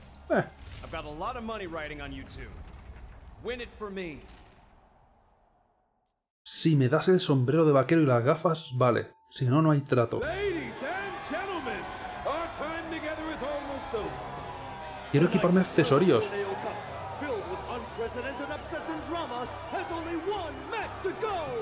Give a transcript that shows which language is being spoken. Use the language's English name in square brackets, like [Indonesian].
[English] I've got a lot of money riding on you two. Win it for me. [Spanish] Si me das el sombrero de vaquero y las gafas, vale. Si no, no hay trato. [English] Ladies and gentlemen, our time together is almost over. [Spanish] Quiero equiparme accesorios. [English] Filled with unprecedented upsets and drama, has only one match to go.